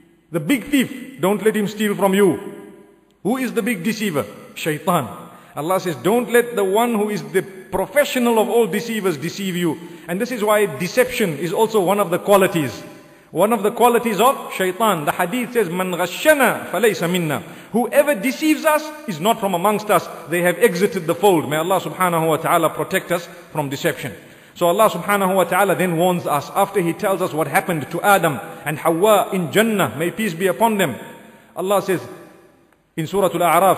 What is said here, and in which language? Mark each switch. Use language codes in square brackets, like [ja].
[en] The big thief, don't let him steal from you. Who is the big deceiver? Shaitan. Allah says, don't let the one who is the professional of all deceivers deceive you. And this is why deception is also one of the qualities. One of the qualities of shaitan. The hadith says, [ar] مَنْ غَشَّنَا فَلَيْسَ مِنَّا. [en] Whoever deceives us is not from amongst us. They have exited the fold. May Allah subhanahu wa ta'ala protect us from deception. So Allah subhanahu wa ta'ala then warns us, after He tells us what happened to Adam and Hawa in Jannah, may peace be upon them. Allah says in Surah Al-A'raf,